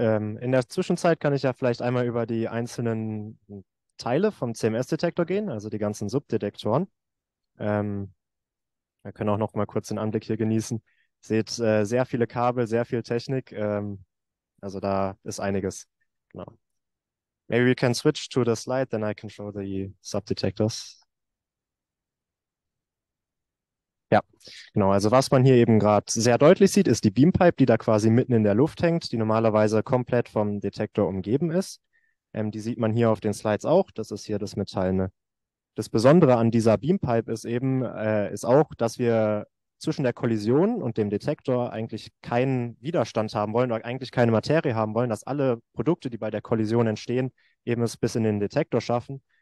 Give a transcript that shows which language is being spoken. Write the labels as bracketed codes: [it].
[de] In der Zwischenzeit kann ich ja vielleicht einmal über die einzelnen Teile vom CMS-Detektor gehen, also die ganzen Subdetektoren. Wir können auch noch mal kurz den Anblick hier genießen. Seht, sehr viele Kabel, sehr viel Technik. Also da ist einiges. Genau. [en] Maybe we can switch to the slide, then I can show the Subdetectors. [de] Ja, genau. Also was man hier eben gerade sehr deutlich sieht, ist die Beam-Pipe, die da quasi mitten in der Luft hängt, die normalerweise komplett vom Detektor umgeben ist. Die sieht man hier auf den Slides auch. Das ist hier das Metallene. Das Besondere an dieser Beam-Pipe ist eben, ist auch, dass wir zwischen der Kollision und dem Detektor eigentlich keinen Widerstand haben wollen oder eigentlich keine Materie haben wollen, dass alle Produkte, die bei der Kollision entstehen, eben es bis in den Detektor schaffen.